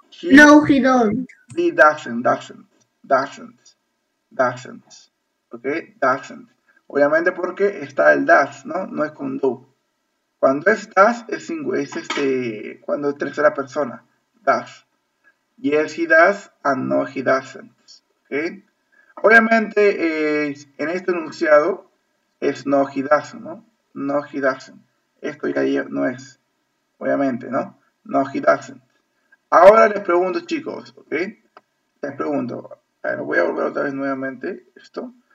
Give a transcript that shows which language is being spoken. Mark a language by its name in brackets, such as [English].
[English] No, he don't. he doesn't, doesn't, doesn't, doesn't, ok, doesn't. [Spanish] Obviamente porque está el does, ¿no? No es con do. Cuando es does, es single, es este, cuando es tercera persona, does. [English] Yes, he does, and no, he doesn't, ok. [Spanish] Obviamente, en este enunciado, es [English] no, he doesn't, [Spanish] ¿no? [English] No, he doesn't. [Spanish] Esto ya no es, obviamente, ¿no? [English] No, he doesn't. [Spanish] Ahora les pregunto, chicos, ¿ok? Les pregunto, a ver, voy a volver otra vez nuevamente esto.